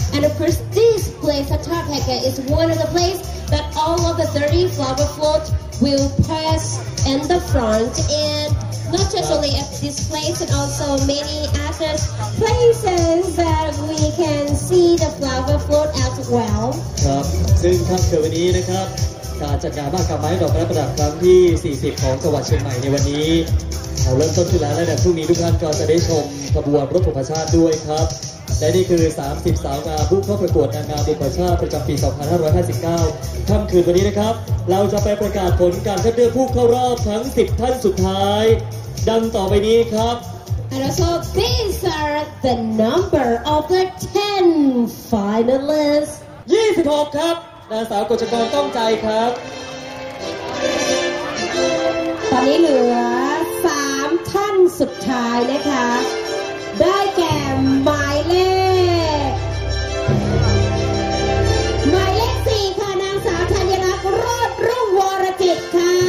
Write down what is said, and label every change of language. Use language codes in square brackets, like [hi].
[en] And of course, this place, the Top Hekka, is one of the places that all of the 30 flower floats will pass in the front. And not just only at this place, but also many other places that we can see the flower float as well. [th] การจัดงานมากมายดอกประดับครั้งที่40ของจังหวัดเชียงใหม่ในวันนี้เราเริ่มต้นขึ้นแล้วและในพรุ่งนี้ทุกท่านก็จะได้ชมขบวนรถบุพชาติด้วยครับและนี่คือ30สาวงามผู้เข้าประกวดนางงามบุพชาติประจำปี2559ค่ำคืนวันนี้นะครับเราจะไปประกาศผลการคัดเลือกผู้เข้ารอบทั้ง10ท่านสุดท้ายดังต่อไปนี้ครับ [en] And also these are the number of the 10 finalists [th] 26ครับนางสาวกฤษกรต้องใจครับ ตอนนี้เหลือ3ท่านสุดท้ายนะคะได้แก่หมายเลขหมายเลข4ค่ะนางสาวธัญรัตน์รอดรุ่งวรกิจค่ะ